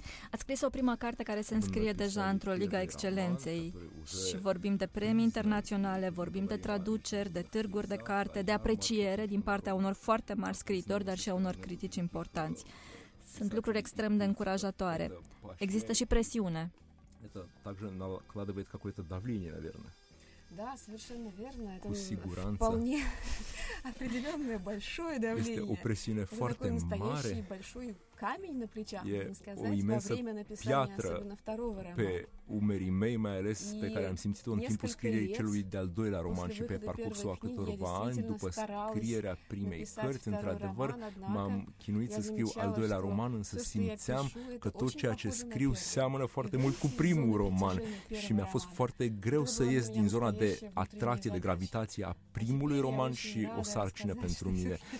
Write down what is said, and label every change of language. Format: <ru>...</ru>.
<ro>Ați scris o prima carte care se înscrie deja într-o ligă a excelenței și vorbim de premii internaționale, vorbim de traduceri, de târguri de carte, de apreciere din partea unor foarte mari scriitori, dar și a unor critici importanți. Sunt lucruri extrem de încurajatoare. Există și presiune.</ro> <ru>Также накладывает какое-то давление, наверное. Да, совершенно верно.</ru> <ro>Cu siguranță.</ro> <ru>Вполне определенное большое давление.</ru> <ro>Este o presiune foarte mare.</ro> <ru>Este большой камень на плечах, можно сказать, во время написания, особенно второго романа.</ru> <ro>Pe umerii mei, mai ales pe care am simțit-o în timpul scrierii celui de-al doilea roman și pe parcursul a câtorva ani după scrierea primei cărți, într-adevăr, m-am chinuit să scriu al doilea roman, însă simțeam că tot ceea ce scriu seamănă foarte mult cu primul roman și mi-a fost foarte greu să ies din zona de atracție, de gravitație a primului roman și o sarcină pentru mine.</ro>